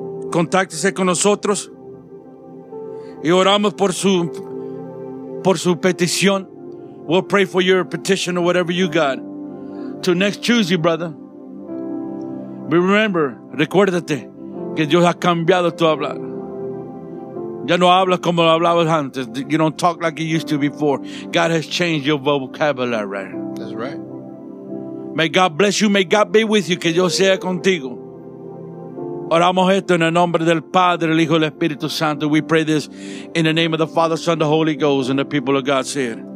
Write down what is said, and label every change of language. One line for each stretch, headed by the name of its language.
Spanish: contáctese con nosotros y oramos por su petición.
English: We'll pray for your petition or whatever you got. Till next Tuesday, brother. But remember,
Spanish: recuérdate que Dios ha cambiado tu hablar. Ya no hablas como hablabas antes.
English: You don't talk like you used to before. God has changed your vocabulary. That's right. May God bless you. May God be with you.
Spanish: Que Dios sea contigo. Oramos esto en el nombre del Padre, el Hijo y el Espíritu Santo.
English: We pray this in the name of the Father, Son, the Holy Ghost, and the people of God say it.